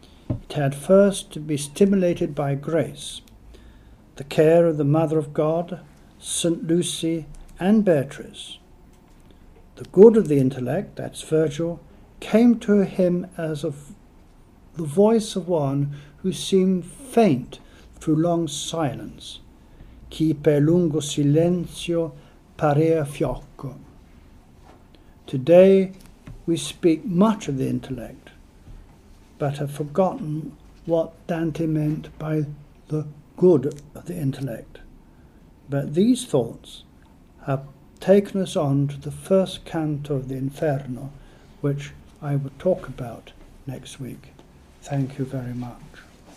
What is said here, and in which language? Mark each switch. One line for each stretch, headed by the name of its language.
English: It had first to be stimulated by grace, the care of the Mother of God, St. Lucy and Beatrice. The good of the intellect, that's Virgil, came to him as the voice of one who seemed faint through long silence.
Italian: Chi per lungo silenzio parea fiocco.
English: Today we speak much of the intellect, but have forgotten what Dante meant by the good of the intellect. But these thoughts have taken us on to the first canto of the Inferno, which I will talk about next week. Thank you very much.